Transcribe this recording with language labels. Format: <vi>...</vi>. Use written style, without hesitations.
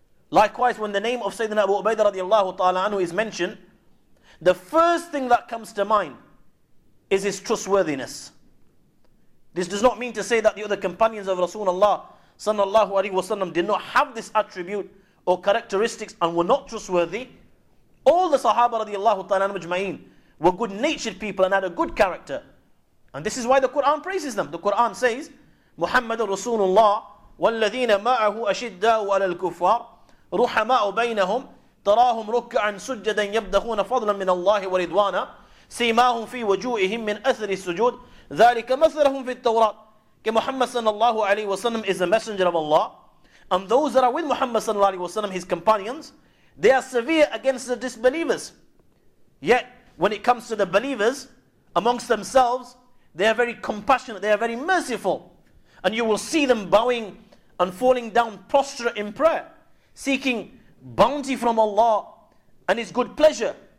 <en>Likewise, when the name of Sayyidina Abu Ubaidah radiallahu ta'ala anhu is mentioned, the first thing that comes to mind is his trustworthiness. This does not mean to say that the other companions of Rasulullah sallallahu alayhi wa sallam did not have this attribute or characteristics and were not trustworthy. All the Sahaba radiallahu ta'ala anhu ajma'een were good-natured people and had a good character. And this is why the Quran praises them. The Quran says, Muhammad Rasulullah,</en> <ar>وَالَّذِينَ مَعَهُ أَشِدَّاءُ عَلَى الْكُفَّارِ رُحَمَاءُ بَيْنَهُمْ تَرَاهُمْ رُكَّعًا سُجَّدًا يَبْتَغُونَ فَضْلًا مِنَ اللَّهِ وَرِضْوَانًا سِيمَاهُمْ فِي وُجُوهِهِمْ مِنْ أَثَرِ السُّجُودِ ذَلِكَ مَثَلُهُمْ فِي التَّوْرَاةِ كَمُحَمَّدٍ صَلَّى اللَّهُ عَلَيْهِ وَسَلَّمَ</ar> <en>is the messenger of Allah. And those that are with Muhammad sallallahu alayhi wa sallam, his companions, they are severe against the disbelievers. Yet, when it comes to the believers, amongst themselves, they are very compassionate, they are very merciful. And you will see them bowing and falling down prostrate in prayer, seeking bounty from Allah and His good pleasure.</en>